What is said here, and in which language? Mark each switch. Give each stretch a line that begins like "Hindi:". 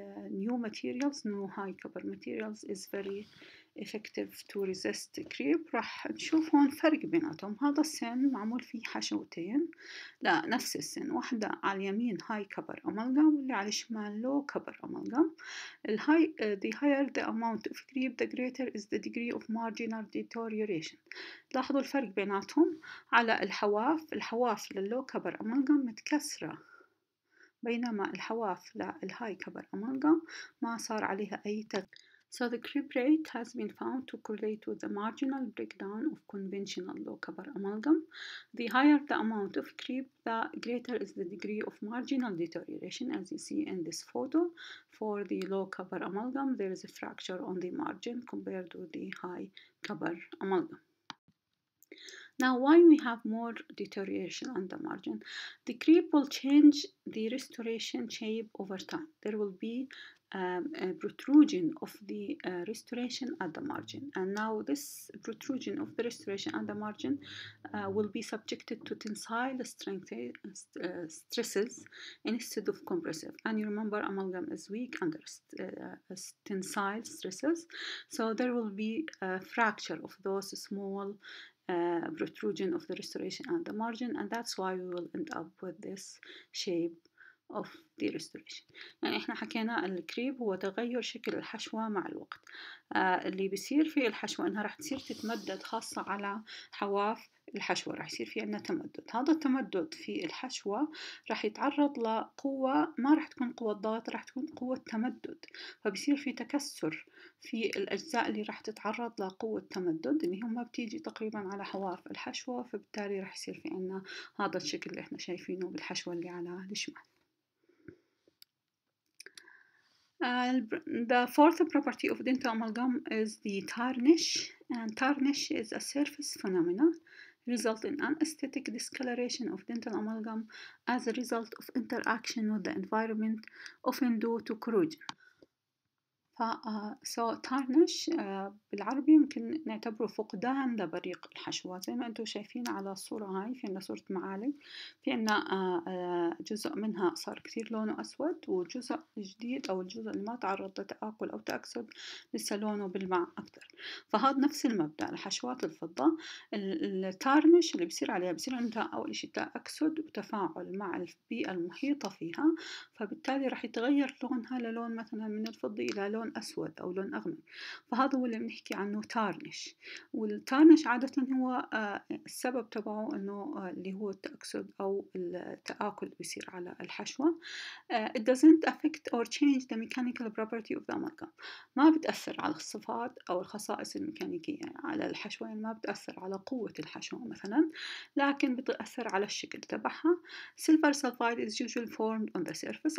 English: new materials new high cover materials is very effective to resist creep.
Arabic: راح نشوف هون فرق بيناتهم. هذا السن معمول فيه حشوتين، لا نفس السن، واحدة على اليمين high cover amalgam واللي على الشمال low cover amalgam.
English: The higher the amount of creep the greater is the degree of marginal deterioration.
Arabic: لاحظوا الفرق بيناتهم. على الحواف، الحواف لللو كبر amalgam متكسرة، بينما الحواف للهاي كبر amalgam ما صار عليها أي تغيير.
English: So the creep rate has been found to correlate with the marginal breakdown of conventional low cover amalgam. The higher the amount of creep, the greater is the degree of marginal deterioration, as you see in this photo. For the low cover amalgam, there is a fracture on the margin compared to the high cover amalgam. Now, why we have more deterioration on the margin? The creep will change the restoration shape over time. There will be a protrusion of the restoration at the margin. And now this protrusion of the restoration at the margin will be subjected to tensile strength stresses instead of compressive. And you remember amalgam is weak under tensile stresses. So there will be a fracture of those small protrusion of the restoration at the margin, and that's why we will end up with this shape of the restoration.
Arabic: يعني احنا حكينا الكريب هو تغير شكل الحشوة مع الوقت. اللي بيصير في الحشوة انها رح تصير تتمدد، خاصة على حواف الحشوة رح يصير في عنا تمدد. هذا التمدد في الحشوة رح يتعرض لقوة، ما رح تكون قوة ضغط، رح تكون قوة تمدد. فبيصير في تكسر في الأجزاء اللي رح تتعرض لقوة تمدد، اللي هم بتيجي تقريبا على حواف الحشوة، فبالتالي رح يصير في عنا هذا الشكل اللي احنا شايفينه بالحشوة اللي على الشمال.
English: The fourth property of dental amalgam is the tarnish. And tarnish is a surface phenomenon resulting in an aesthetic discoloration of dental amalgam as a result of interaction with the environment, often due to corrosion.
Arabic: So tarnish بالعربي ممكن نعتبره فقدان لبريق الحشوة، زي ما انتم شايفين على الصورة هاي. في عنا صورة معالج، في عنا جزء منها صار كثير لونه أسود، وجزء جديد أو الجزء اللي ما تعرض لتآكل أو تأكسد لسه لونه بلمع أكثر. فهذا نفس المبدأ لحشوات الفضة. التارنش اللي بصير عليها بصير عندها أول شيء تأكسد وتفاعل مع البيئة المحيطة فيها، فبالتالي رح يتغير لونها للون مثلا من الفضي إلى لون أسود أو لون أغمق. فهذا هو اللي بنحكي عنه تارنش. والتارنش عادة هو السبب تبعه إنه اللي هو التأكسد أو التآكل بيصير على الحشوة.
English: It doesn't affect or change the mechanical property of the amalgam.
Arabic: ما بتأثر على الصفات أو الخصائص الميكانيكية على الحشوة، يعني ما بتأثر على قوة الحشوة مثلا، لكن بتأثر على الشكل تبعها.
English: Silver sulfide is usually formed on the surface.